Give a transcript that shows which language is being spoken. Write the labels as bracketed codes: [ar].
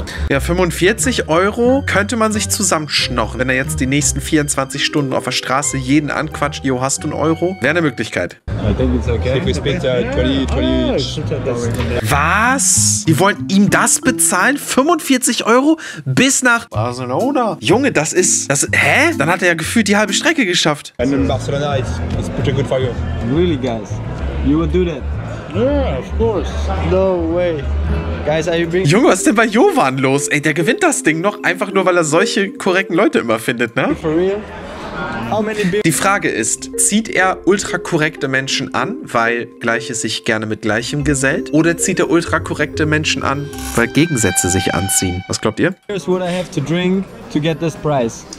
[de] Ja, 45 Euro könnte man sich zusammenschnochen, wenn er jetzt die nächsten 24 Stunden auf der Straße jeden anquatscht. Jo, hast du einen Euro? Wäre eine Möglichkeit. [en] I think it's okay. If we spend [de] 20 Was? Die wollen ihm das bezahlen? 45 Euro bis nach Barcelona? Junge, das ist... Das, hä? Dann hat er ja gefühlt die halbe Strecke geschafft. [en] And in Barcelona is pretty good for you. Really, guys? You would do that? Yeah, of course. No way. Guys, are you being... [de] Junge, was ist denn bei Jovan los? Ey, der gewinnt das Ding noch, einfach nur, weil er solche korrekten Leute immer findet, ne? [en] For real? [de] Die Frage ist, zieht er ultra korrekte Menschen an, weil Gleiches sich gerne mit Gleichem gesellt? Oder zieht er ultra korrekte Menschen an, weil Gegensätze sich anziehen? Was glaubt ihr? [en] Here's what I have to drink to get this price.